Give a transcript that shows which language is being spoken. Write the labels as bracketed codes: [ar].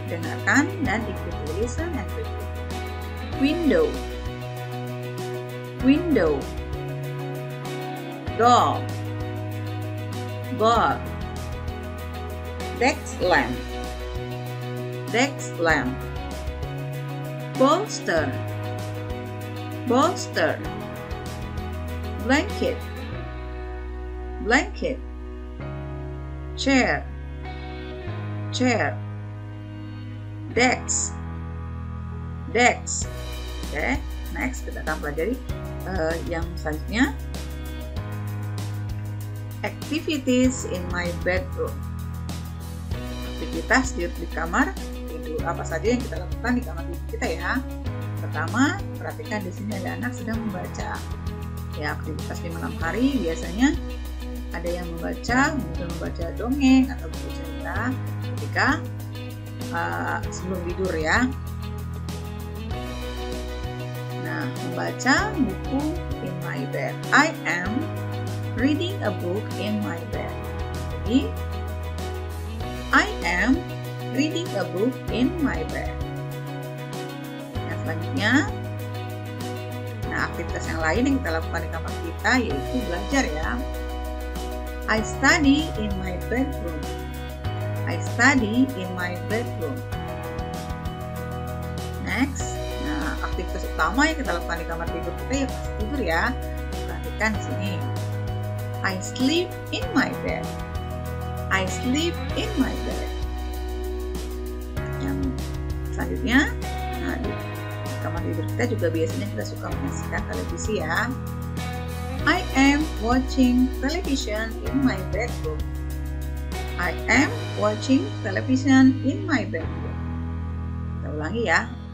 [id] Dengarkan dan ikuti. [en] Listen and repeat. Window. Window. Door. Door. Desk lamp. Desk lamp. Bolster. Bolster. Blanket. Blanket. Chair. Chair. Desk. Desk. [id] Oke, next kita akan pelajari yang selanjutnya. [en] Activities in my bedroom. [id] Aktivitas di kamar tidur apa saja yang kita lakukan di kamar tidur kita ya. Pertama, perhatikan di sini ada anak sedang membaca. Ya, aktivitas di malam hari biasanya ada yang membaca, mungkin membaca dongeng atau buku cerita ketika sebelum tidur ya. Nah, membaca buku [en] in my bed. I am reading a book in my bed. Jadi, I am reading a book in my bed. [id] Nah, selanjutnya, nah, aktivitas yang lain yang kita lakukan di kamar kita yaitu belajar ya. [en] I study in my bedroom. I study in my bedroom. [id] Next, nah, aktivitas utama yang kita lakukan di kamar tidur kita ya pasti tidur ya. Perhatikan di sini. [en] I sleep in my bed. I sleep in my bed. [id] Yang selanjutnya, nah, di kamar tidur kita juga biasanya kita suka menyaksikan televisi ya. [en] I am watching television in my bedroom. I am watching television in my bedroom. [id] Kita ulangi ya.